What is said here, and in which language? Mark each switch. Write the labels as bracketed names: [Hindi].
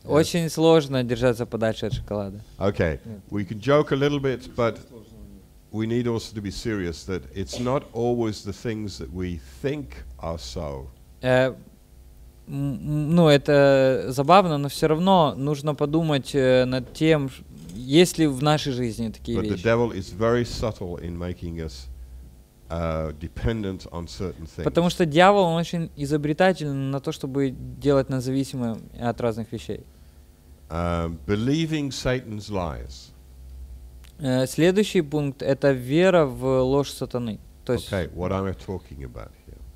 [Russian] Очень сложно держаться подальше от шоколада. [English] Okay, we can joke a little bit, but we need also to be serious that it's not always the things that we think are so. [Russian] Ну, это забавно, но все равно нужно подумать над тем, есть ли в нашей жизни такие вещи. [English] But the devil is very subtle in making us dependent on certain things. [Russian] Потому что дьявол он очень изобретателен на то, чтобы делать нас зависимыми от разных вещей. [English] Believing Satan's lies. [Russian] Следующий пункт это вера в ложь сатаны. То есть [English] okay, what am I talking about here?